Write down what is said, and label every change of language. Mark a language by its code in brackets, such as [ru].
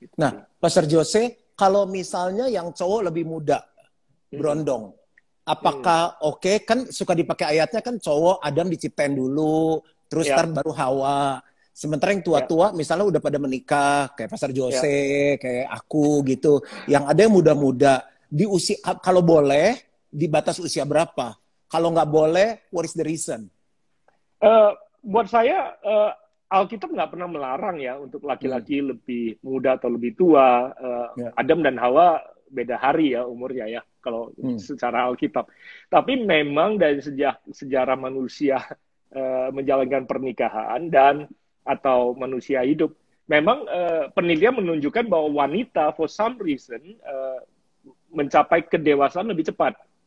[id] Nah, Pastor Jose, kalau misalnya yang cowok lebih muda, berondong, apakah oke? Okay? Kan suka dipakai ayatnya kan cowok Adam diciptain dulu, terus ntar baru Hawa. Sementara yang tua-tua, misalnya udah pada menikah, kayak Pastor Jose, kayak aku gitu, yang ada yang muda-muda, di usia, kalau boleh, di batas usia berapa? Kalau nggak boleh, [en] what is the reason? [id] Buat saya, Alkitab nggak pernah melarang ya untuk laki-laki lebih muda atau lebih tua. Adam dan Hawa beda hari ya umurnya ya, kalau secara Alkitab. Tapi memang dari sejarah manusia menjalankan pernikahan dan atau manusia hidup, memang penelitian menunjukkan bahwa wanita [en] for some reason [id] mencapai kedewasaan lebih cepat.